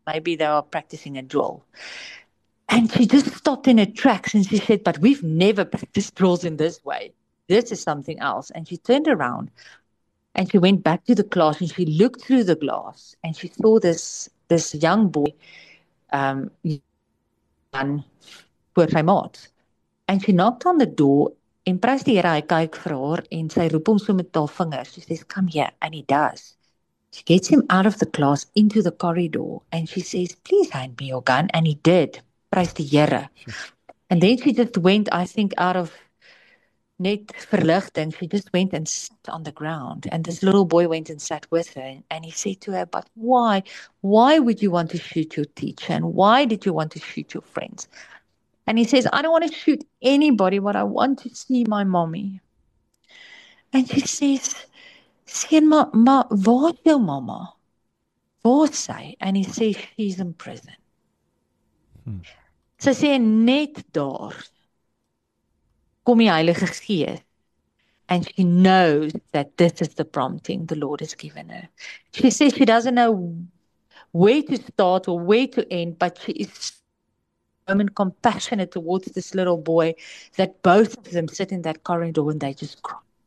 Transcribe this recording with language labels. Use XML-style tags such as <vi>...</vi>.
<en>Maybe they are practicing a drill. And she just stopped in her tracks and she said, but we've never practiced drills in this way. This is something else. And she turned around and she went back to the class and she looked through the glass and she saw this young boy with her mate. And she knocked on the door.</en> <af>En prys die Here, hy kyk vir haar en sy roep hom so met haar vingers.</af> <en>She says, come here, and he does. She gets him out of the class into the corridor and she says, please hand me your gun, and he did.</en> <af>Prys die Here.</af> <en>And then she just went, I think, out of</en> <af>net verlichting.</af> <en>She just went and sat on the ground. And this little boy went and sat with her. And he said to her, "But why? Why would you want to shoot your teacher? And why did you want to shoot your friends?" And he says, "I don't want to shoot anybody, but I want to see my mommy." And she says,</en> <af>"Sien ma, waar is jou mama? Waar is sy?"</af> <en>And he says, "She's in prison."</en> <af>Sy sê, net daar kom die Heilige Gees.</af> <en>And she knows that this is the prompting the Lord has given her. She says she doesn't know where to start or where to end, but she is so compassionate towards this little boy that both of them sit in that corridor and they just cry.</en>